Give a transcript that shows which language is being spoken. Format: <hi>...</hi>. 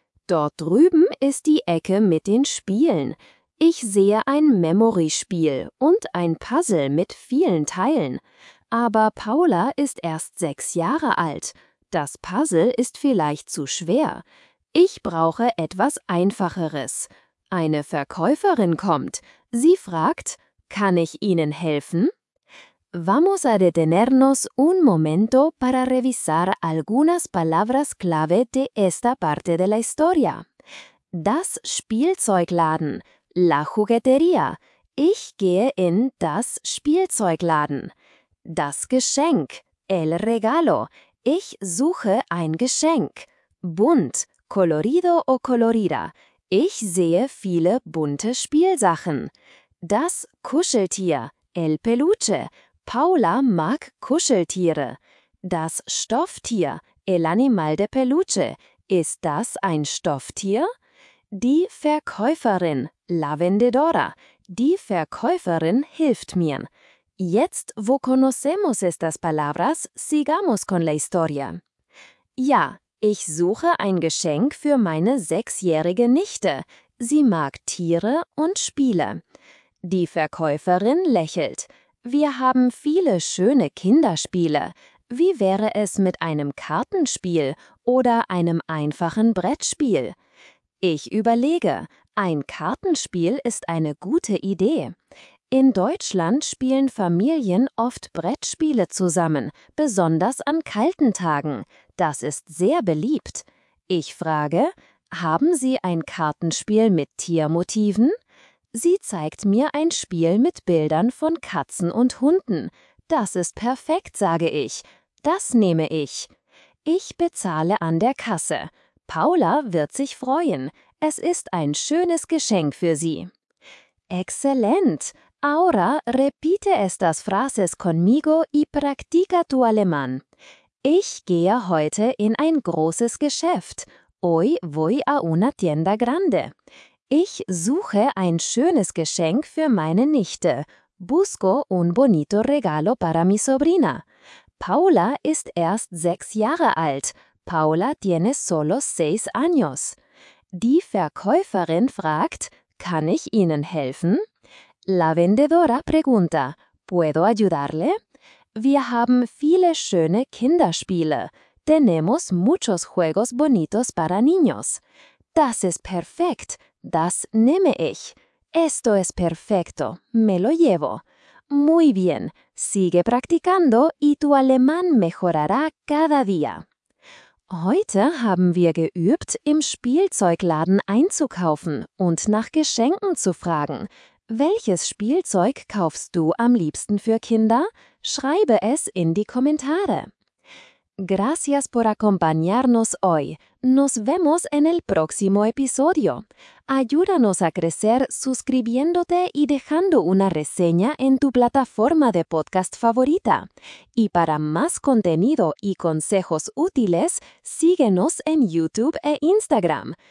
<de>Dort drüben ist die Ecke mit den Spielen. Ich sehe ein Memory-Spiel und ein Puzzle mit vielen Teilen. Aber Paula ist erst 6 Jahre alt. Das Puzzle ist vielleicht zu schwer. Ich brauche etwas Einfacheres. Eine Verkäuferin kommt. Sie fragt, kann ich Ihnen helfen?</de> <es>Vamos a detenernos un momento para revisar algunas palabras clave de esta parte de la historia.</es> <de>Das Spielzeugladen,</de> <es>la juguetería.</es> <de>Ich gehe in das Spielzeugladen. Das Geschenk,</de> <es>el regalo.</es> <de>Ich suche ein Geschenk. Bunt,</de> <es>colorido o colorida.</es> <de>Ich sehe viele bunte Spielsachen. Das Kuscheltier,</de> <es>el peluche.</es> <de>Paula mag Kuscheltiere. Das Stofftier,</de> <es>el animal de peluche.</es> <de>Ist das ein Stofftier? Die Verkäuferin,</de> <es>la vendedora.</es> <de>Die Verkäuferin hilft mir. Jetzt, wo</de> <es>conocemos estas palabras, sigamos con la historia.</es> <de>Ja, ich suche ein Geschenk für meine 6-jährige Nichte. Sie mag Tiere und Spiele. Die Verkäuferin lächelt. Wir haben viele schöne Kinderspiele. Wie wäre es mit einem Kartenspiel oder einem einfachen Brettspiel? Ich überlege, ein Kartenspiel ist eine gute Idee. In Deutschland spielen Familien oft Brettspiele zusammen, besonders an kalten Tagen. Das ist sehr beliebt. Ich frage, haben Sie ein Kartenspiel mit Tiermotiven? Sie zeigt mir ein Spiel mit Bildern von Katzen und Hunden. Das ist perfekt, sage ich. Das nehme ich. Ich bezahle an der Kasse. Paula wird sich freuen. Es ist ein schönes Geschenk für sie.</de> <es>Excelente! Ahora repite estas frases conmigo y practica tu alemán.</es> <de>Ich gehe heute in ein großes Geschäft.</de> <es>Hoy voy a una tienda grande.</es> <de>Ich suche ein schönes Geschenk für meine Nichte.</de> <es>Busco un bonito regalo para mi sobrina.</es> <de>Paula ist erst 6 Jahre alt.</de> <es>Paula tiene solo 6 años.</es> <de>Die Verkäuferin fragt, kann ich Ihnen helfen?</de> <es>La vendedora pregunta, ¿puedo ayudarle?</es> <de>Wir haben viele schöne Kinderspiele.</de> <es>Tenemos muchos juegos bonitos para niños.</es> <de>Das ist perfekt. Das nehme ich.</de> <es>Esto es perfecto. Me lo llevo. Muy bien. Sigue practicando y tu alemán mejorará cada día.</es> <de>Heute haben wir geübt, im Spielzeugladen einzukaufen und nach Geschenken zu fragen. Welches Spielzeug kaufst du am liebsten für Kinder? Schreibe es in die Kommentare.</de> <es>Gracias por acompañarnos hoy. Nos vemos en el próximo episodio. Ayúdanos a crecer suscribiéndote y dejando una reseña en tu plataforma de podcast favorita. Y para más contenido y consejos útiles, síguenos en YouTube e Instagram.</es>